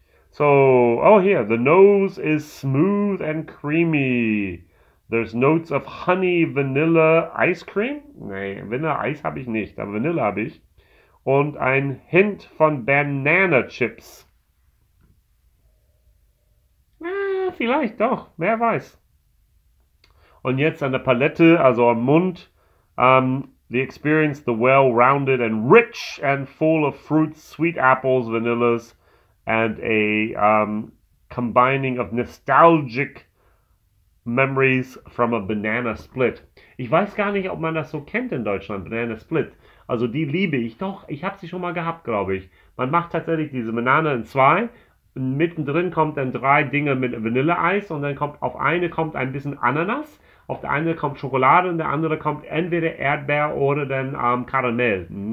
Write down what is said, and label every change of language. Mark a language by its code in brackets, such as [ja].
[en] So, oh here, the nose is smooth and creamy. There's notes of honey, vanilla, ice cream? [de] Nee, Vanille-Eis habe ich nicht, aber Vanille habe ich. Und ein Hint von Banana Chips. Vielleicht doch, wer weiß. Und jetzt an der Palette, also am Mund. [en] The experience, the well-rounded and rich and full of fruits, sweet apples, vanillas and a combining of nostalgic memories from a banana split. [de] Ich weiß gar nicht, ob man das so kennt in Deutschland, Banana Split. Also die liebe ich doch. Ich habe sie schon mal gehabt, glaube ich. Man macht tatsächlich diese Banane in zwei. Mittendrin kommt dann drei Dinge mit Vanilleeis und dann kommt auf eine kommt ein bisschen Ananas, auf der eine kommt Schokolade und der andere kommt entweder Erdbeer oder dann Karamell.